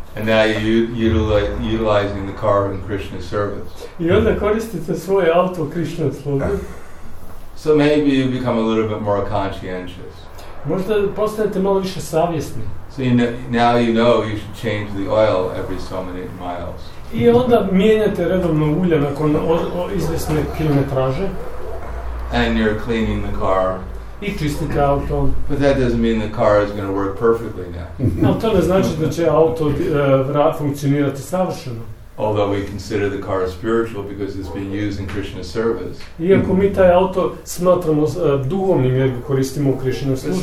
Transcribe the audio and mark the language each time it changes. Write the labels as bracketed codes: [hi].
[en] And now you're utilizing the car in Krishna's service. [bs] I onda koristite svoje auto Krishna's službi. [en] So maybe you become a little bit more conscientious. [bs] Možda postanete malo više savjesni. [en] So you know, now you know you should change the oil every so many miles. [bs] I onda mijenjate redovno ulje nakon izvjesne kilometraže. [en] And you're cleaning the car. [bs] I čistite auto. [en] But that doesn't mean the car is going to work perfectly now. [bs] No, to ne znači da će auto funkcionirati savršeno. [en] Although we consider the car spiritual because it's been used in Krishna's service. [bs] Iako mi taj auto smatramo duhovnim jer ga koristimo u Krishna službi.